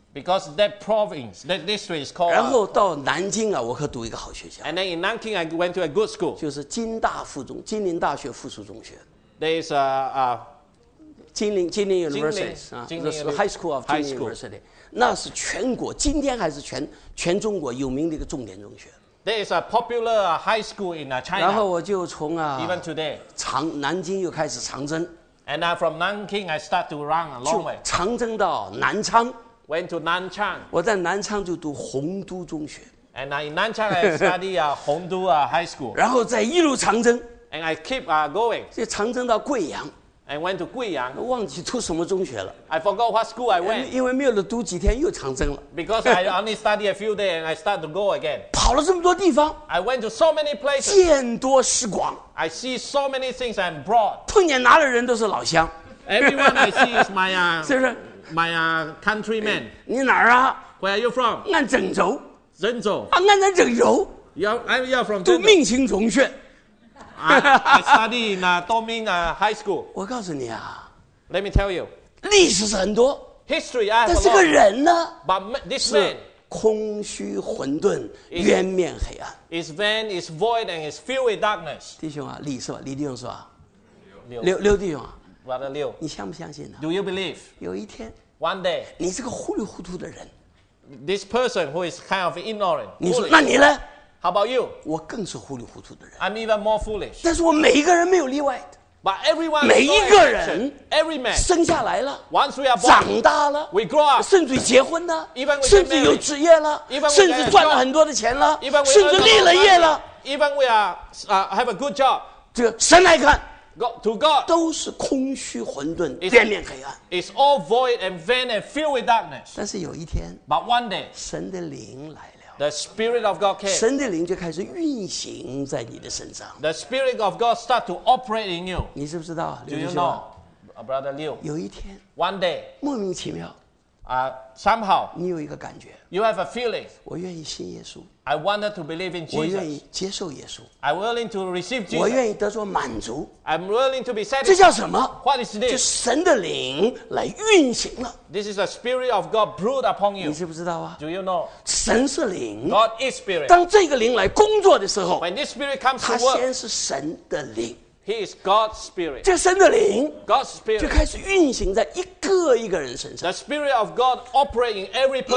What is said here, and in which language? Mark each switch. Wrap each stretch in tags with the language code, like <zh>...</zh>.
<en>Because that province, that district is called.</en> <zh>然后到南京啊，我可读一个好学校。</zh> <en>And then in Nanking, I went to a good school.</en> <zh>就是金大附中，金陵大学附属中学。</zh> <en>There is a 金陵 University</en> <zh>啊，那是</zh> <en>High School of 金陵 University，</en> <zh>那是全国今天还是全中国有名的一个重点中学。</zh> <en>There is a popular high school in China.</en> <zh>然后我就从啊</zh> <en>，Even today，</en> <zh>南京又开始长征。</zh> <en>And from Nanking, I start to run a long way.</en> <zh>就长征到南昌。</zh> <en>Went to Nanchang.</en> <zh>我在南昌就读洪都中学。</zh> <en>And in Nanchang, I study 洪都 high school.</en> <zh>然后再一路长征。</zh> <en>And I keep going.</en> <zh>就长征到贵阳。</zh> <en>And went to 贵阳。</en> <zh>忘记读什么中学了。</zh> <en>I forgot what school I went.</en> <zh>因为没有了读几天又长征了。</zh> <en>Because I only study a few days and I start to go again.</en> <zh>跑了这么多地方。</zh> <en>I went to so many places.</en> <zh>见多识广。</zh> <en>I see so many things I'm broad.</en> <zh>碰见哪里人都是老乡。</zh> <en>Everyone I see is my</en> <zh>是不是？</zh> <en>My countryman,</en> <zh>你哪儿啊</zh> <en>？Where are you from?</en> <zh>俺郑州。郑州。啊，俺在郑州。</zh> <en>You're from</en> <zh>读明星中学。</zh> <en>I study in Doming High School.</en> <zh>我告诉你啊。</zh> <en>Let me tell you.</en> <zh>历史是很多。</zh> <en>History I have a lot.</en> <zh>但是个人呢</zh> <en>？But this man</en> <zh>空虚混沌，渊面黑暗。</zh> <en>His van is void and is filled with darkness.</en> <zh>弟兄啊，李是吧？李弟兄是吧？刘弟兄啊。你相不相信呢</zh> <en>？Do you believe？</en> <zh>有一天</zh> <en>，One day，</en> <zh>你是个糊里糊涂的人。</zh> <en>This person who is kind of ignorant。</en> <zh>你说，那你呢</zh> <en>？How about you？</en> <zh>我更是糊里糊涂的人。</zh> <en>I'm even more foolish。</en> <zh>但是我每一个人没有例外的。</zh> <en>But everyone，</en> <zh>每一个人</zh> <en>，Every man，</en> <zh>生下来了</zh> <en>，Once we are born，</en> <zh>长大了</zh> <en>，We grow up，</en> <zh>甚至结婚了</zh> <en>，Even we marry，</en> <zh>甚至有职业了</zh> <en>，Even we</en> <zh>甚至赚了很多的钱了</zh> <en>，Even we</en> <zh>甚至立了业了</zh> <en>，Even we are have a good job。</en> <zh>这个神来看。</zh> <en>To God,</en> <zh>都是空虚混沌，渊面黑暗。</zh> <en>It's all void and vain and filled with darkness.</en> <zh>但是有一天</zh> <en>，But one day,</en> <zh>神的灵来了。</zh> <en>The Spirit of God came.</en> <zh>神的灵就开始运行在你的身上。</zh> <en>The Spirit of God start to operate in you.</en> <zh>你知不知道？</zh> <en>Do you know, Brother Liu?</en> <zh>有一天，</zh> <en>One day,</en> <zh>莫名其妙，</zh> <en>Somehow,</en> <zh>你有一个感觉。</zh> <en>You have a feeling.</en> <zh>我愿意信耶稣。</zh> <en>I wanted to believe in Jesus.</en> <zh>我愿意接受耶稣。</zh> <en>I'm willing to receive Jesus.</en> <zh>我愿意得着满足。</zh> <en>I'm willing to be satisfied.</en> <zh>这叫什么？</zh> <en>What is this?</en> <zh>就神的灵来运行了。</zh> <en>This is the Spirit of God brewed upon you.</en> <zh>你知不知道啊？</zh> <en>Do you know?</en> <zh>神是灵。</zh> <en>God is Spirit.</en> <zh>当这个灵来工作的时候，</zh> <en>When this Spirit comes to work,</en> <zh>他先是神的灵。</zh> <en>He is God's Spirit.</en> <zh>这神的灵，</zh> <en>God's Spirit,</en> <zh>就开始运行在一个一个人身上。</zh> <en>The Spirit of God operates in every person.</en>